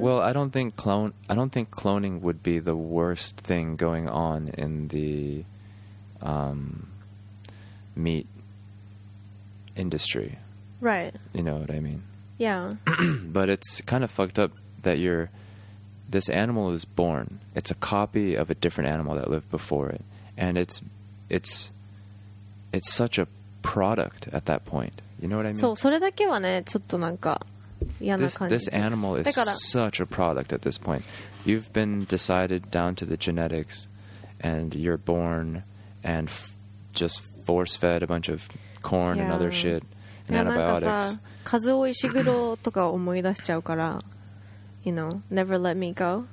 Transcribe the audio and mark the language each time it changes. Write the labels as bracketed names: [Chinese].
[English] Well, I don't think cloning would be the worst thing going on in the meat industry. Right. You know what I mean? Yeah. But it's kind of fucked up that this animal is born. It's a copy of a different animal that lived before it. And it's such a product at that point. You know what I mean? [Japanese] そう、それだけはね、ちょっとなんか嫌な感じ。 [English] This animal is such a product at this point. You've been decided down to the genetics and you're born and just force-fed a bunch of corn and other shit and antibiotics. [Japanese] なんかさ、数おいしぐろとか思い出しちゃうから、 [English] you know, never let me go.